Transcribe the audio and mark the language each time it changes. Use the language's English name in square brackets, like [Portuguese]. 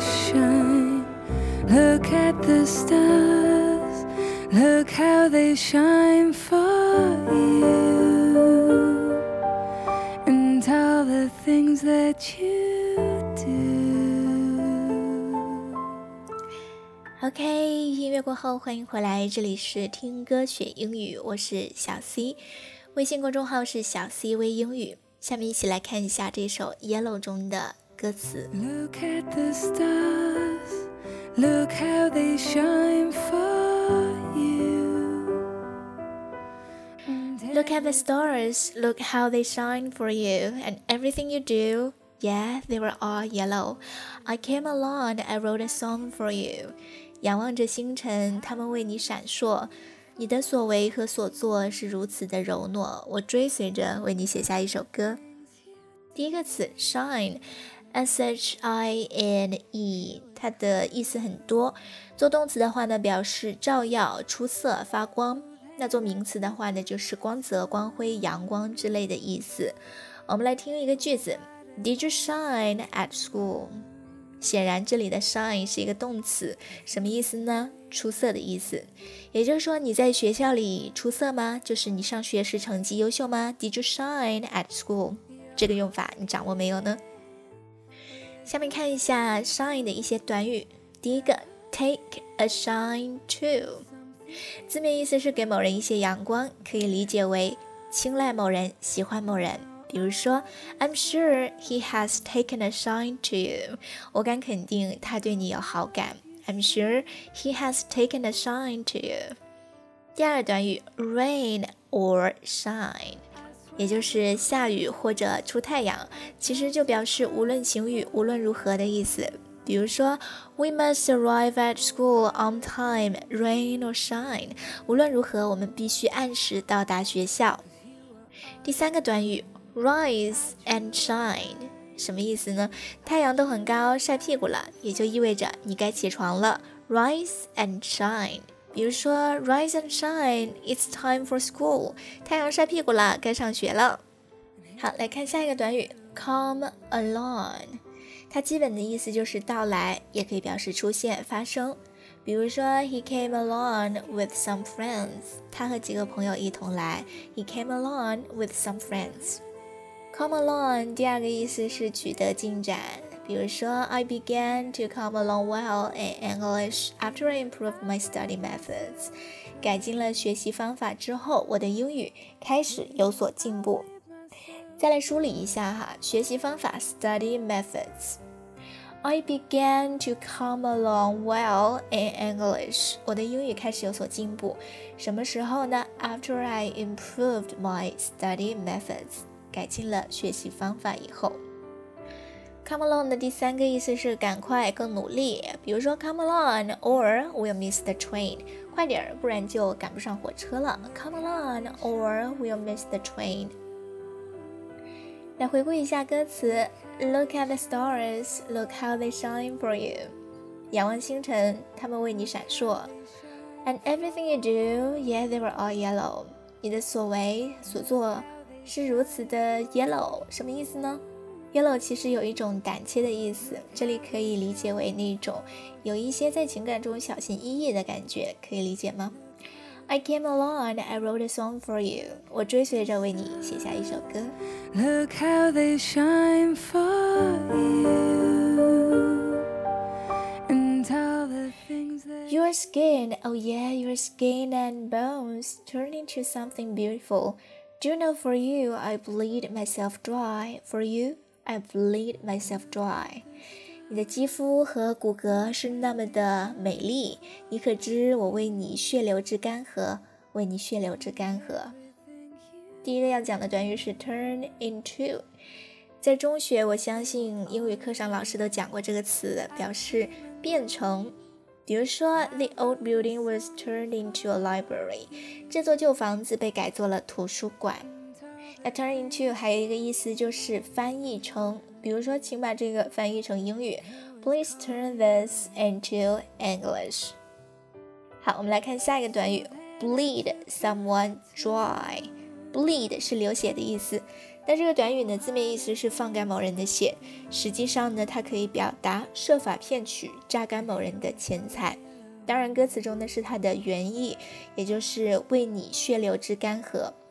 [English] Look at the stars, look how they shine for you, and all the things that you do. [Chinese] OK, 音乐过后欢迎回来，这里是听歌学英语，我是小 C, 微信公众号是小 C 微英语。下面一起来看一下这首 Yellow 中的歌词。 [English] Look at the starsLook how they shine for you. Look at the stars, look how they shine for you, and everything you do, Yeah, they were all yellow. I came along and I wrote a song for you. [Chinese] 仰望着星辰，他们为你闪烁。你的所为和所作是如此的柔糯，我追随着为你写下一首歌。第一个词 shine, S-H-I-N-E, 它的意思很多，做动词的话呢表示照耀、出色、发光，那做名词的话呢就是光泽、光辉、阳光之类的意思。我们来听一个句子， [English] Did you shine at school? [Chinese] 显然这里的 shine 是一个动词，什么意思呢？出色的意思。也就是说你在学校里出色吗？就是你上学时成绩优秀吗？ [English] Did you shine at school? [Chinese] 这个用法你掌握没有呢？下面看一下 shine 的一些短语。第一个 [English] take a shine to， [Chinese] 字面意思是给某人一些阳光，可以理解为青睐某人、喜欢某人。比如说 [English] I'm sure he has taken a shine to you， [Chinese] 我敢肯定他对你有好感。 [English] I'm sure he has taken a shine to you。 [Chinese] 第二短语 [English] rain or shine， [Chinese] 也就是下雨或者出太阳，其实就表示无论晴雨无论如何的意思。比如说 [English] We must arrive at school on time, rain or shine， [Chinese] 无论如何我们必须按时到达学校。第三个短语 [English] Rise and shine， [Chinese] 什么意思呢？太阳都很高晒屁股了，也就意味着你该起床了。 [English] Rise and shine， [Chinese] 比如说 [English] Rise and shine, it's time for school， [Chinese] 太阳晒屁股了，该上学了。好，来看下一个短语 [English] Come along， [Chinese] 它基本的意思就是到来，也可以表示出现、发生。比如说 [English] He came along with some friends， [Chinese] 他和几个朋友一同来。 [English] He came along with some friends。 Come along [Chinese] 第二个意思是取得进展，比如说 [English] I began to come along well in English after I improved my study methods， [Chinese] 改进了学习方法之后我的英语开始有所进步。再来梳理一下哈，学习方法 [English] study methods， I began to come along well in English， [Chinese] 我的英语开始有所进步，什么时候呢？ [English] After I improved my study methods， [Chinese] 改进了学习方法以后。 [English] Come along [Chinese] 的第三个意思是赶快、更努力，比如说 [English] Come along or we'll miss the train， [Chinese] 快点不然就赶不上火车了。 [English] Come along or we'll miss the train。 [Chinese] 来回顾一下歌词， [English] Look at the stars, look how they shine for you， [Chinese] 仰望星辰，他们为你闪烁。 [English] And everything you do, yeah they were all yellow， [Chinese] 你的所为所作是如此的 yellow， 什么意思呢？ Yellow 其实有一种胆怯的意思，这里可以理解为那种有一些在情感中小心翼翼的感觉，可以理解吗？ [English] I came along I wrote a song for you， [Chinese] 我追随着为你写下一首歌。 [English] Look how they shine for you and all the things that Your skin, oh yeah, your skin and bones turn into something beautiful. Do you know for you I bleed myself dry [Chinese] for youI bleed myself dry， 你的肌肤和骨骼是那么的美丽，你可知我为你血流至干涸，为你血流至干涸。第一个要讲的短语是 [English] turn into， [Chinese] 在中学我相信英语课上老师都讲过这个词，表示变成。比如说 [English] The old building was turned into a library， [Chinese] 这座旧房子被改做了图书馆。那 [English] turn into [Chinese] 还有一个意思就是翻译成，比如说请把这个翻译成英语， [English] Please turn this into English。 [Chinese] 好，我们来看下一个短语， [English] Bleed someone dry。 [Chinese] Bleed 是流血的意思，那这个短语呢字面意思是放干某人的血，实际上呢它可以表达设法骗取榨干某人的钱财，当然歌词中呢是它的原意，也就是为你血流至干涸。